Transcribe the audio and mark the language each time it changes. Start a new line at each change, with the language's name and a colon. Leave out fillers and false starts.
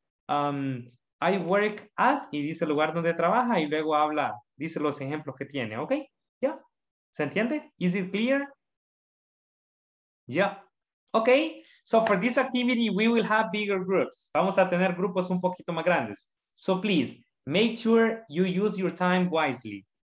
English: I work at,
Spanish: y dice el lugar donde trabaja, y luego habla, dice los ejemplos que tiene, ¿ok? ¿Ya?
English: Yeah.
Spanish: ¿Se entiende?
English: Is it clear? Yeah. Ok, so for this activity, we will have bigger groups.
Spanish: Vamos a tener grupos un poquito más grandes.
English: So please, make sure you use your time wisely.